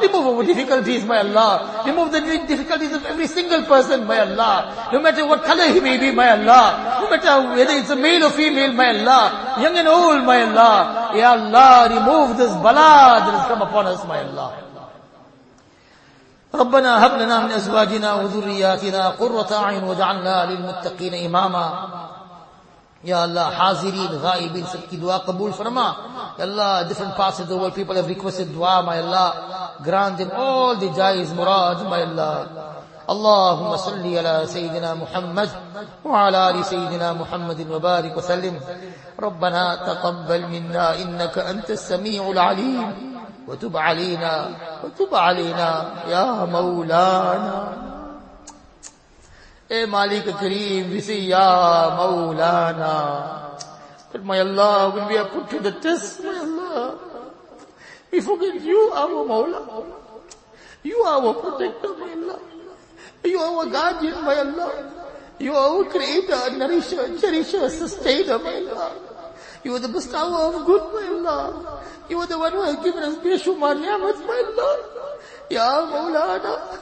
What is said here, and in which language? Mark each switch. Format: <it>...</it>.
<en>Remove our difficulties, my Allah. Remove the difficulties of every single person, my Allah. No matter what color he may be, my Allah. No matter whether it's a male or female, my Allah. Young and old, my Allah. Ya Allah, remove this bala that has come upon us, my Allah.</en> <ar>ربنا هب لنا من ازواجنا وذرياتنا قرة اعين واجعلنا للمتقين اماما يا الله</ar> <ur>حاضرين غائبين سب کی دعا قبول فرما يا الله</ur> <en>different parts of the world people have requested</en> <ar>دعا</ar> <en>my Allah grant them all the</en> <ur>جائز مراد</ur> <ar>my Allah اللهم صل على سيدنا محمد وعلى آل سيدنا محمد وبارك وسلم ربنا تقبل منا انك انت السميع العليم وتب علينا وتب علينا يا مولانا</ar> <ur>اے مالک کریم وسی یا مولانا</ur> <en>But my Allah, when we are put to the test, my Allah, we forget you are our Mawla. You are our protector, my Allah. You are our guardian, my Allah. You are our creator, nourisher, cherisher, sustainer, my Allah. You are the bestower of good, my Allah. You are the one who has given us Beshumar Niamat, my Allah. Ya Mawlana.</en>